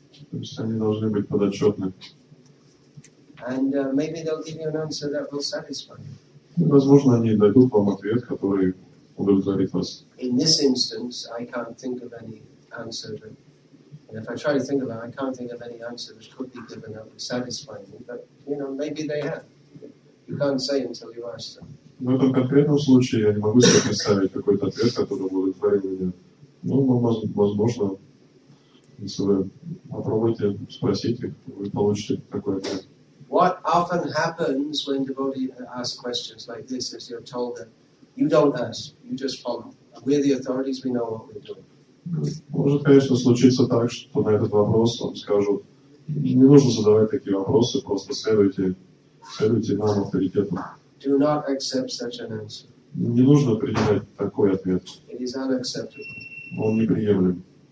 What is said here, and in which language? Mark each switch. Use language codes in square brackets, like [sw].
[ru] То есть они должны быть подотчетны. [en] And maybe they'll give you an answer that will satisfy you. [ru] Возможно, они дадут вам ответ, который удовлетворит вас. [en] In this instance, I can't think of any answer. And if I try to think about it, I can't think of any answer which could be given that would satisfy me. But, you know, maybe they have. You can't say until you ask them. [ru] В этом конкретном случае я не могу себе представить какой-то ответ, который удовлетворит меня. Ну, возможно, если вы попробуете спросить их, вы получите такой ответ. [en] What often happens when devotees ask questions like this is you're told that you don't ask, you just follow. We're the authorities, we know what we're doing. [ru] Может, конечно, случиться так, что на этот вопрос вам скажут, не нужно задавать такие вопросы, просто следуйте нам, авторитетам. [en] Do not accept such an answer. [ru] Не нужно принимать такой ответ. [en] It is unacceptable. [ru] Он неприемлем.